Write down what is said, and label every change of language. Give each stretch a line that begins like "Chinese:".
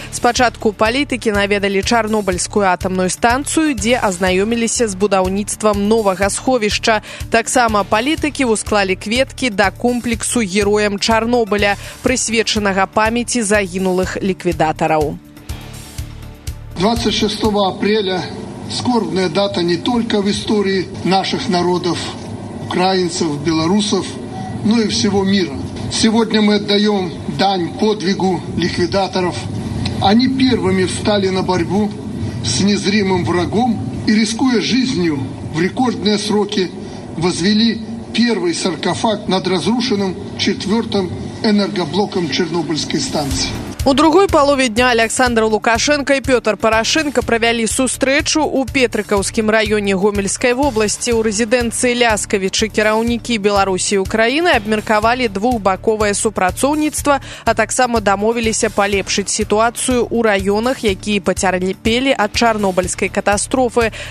Belarusian: Спачатку палітыкі наведалі Чарнобыльскую атамную станцыю, дзе азнаёміліся з будаўніцтвам новага сховішча. Таксама палітыкі ўсклалі кветкі да комплексу героям Чарнобыля, прысвечанага памяці загінулых ліквідатараў.
Russian: 26 апреля – скорбная дата не только в истории наших народов, украинцев, белорусов, но и всего мира. Сегодня мы отдаем дань подвигу ликвидаторов. Они первыми встали на борьбу с незримым врагом и, рискуя жизнью, в рекордные сроки возвели первый саркофаг над разрушенным четвертым энергоблоком Чернобыльской станции.
Belarusian: У другой палове дня Александр Лукашенко і Пётр Парашэнка правялі сустрэчу ў Петрыкаўскім раёне Гомельскай вобласці. У рэзідэнцыі Ляскавічы кіраўнікі Беларусі і Украіны абмеркавалі двухбаковае супрацоўніцтва, а таксама дамовіліся палепшыць сітуацыю ў раёнах, якія пацярпелі ад Чарнобыльскай катастрофы.